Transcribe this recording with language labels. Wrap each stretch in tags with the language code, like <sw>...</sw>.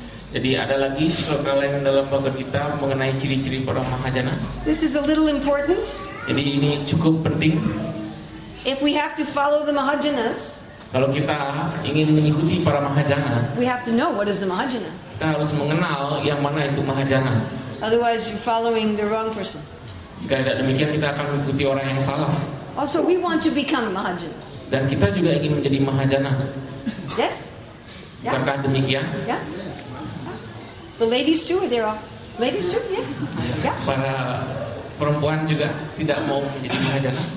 <id>Jadi ada lagi sloka lain dalam Bhagavad Gita mengenai ciri-ciri para Mahajana.</id> <en>This is a little important.</en> <id>Jadi ini cukup penting.</id> <en>If we have to follow the Mahajanas,</en> <id>kalau kita ingin mengikuti para Mahajana,</id> <en>we have to know what is the Mahajana.</en> <id>Kita harus mengenal yang mana itu Mahajana.</id> <en>Otherwise, you're following the wrong person.</en> <id>Jika tidak demikian, kita akan mengikuti orang yang salah.</id> <en>Also, we want to become Mahajans.</en> <id>Dan kita juga ingin menjadi Mahajana.</id> <en>Yes.</en> <id>Yeah. Bukankah demikian?</id> <en>Yeah. The ladies too, are there all? Ladies too, yes. Yeah.</en> <id>Para perempuan juga tidak mau menjadi pengajar.</id>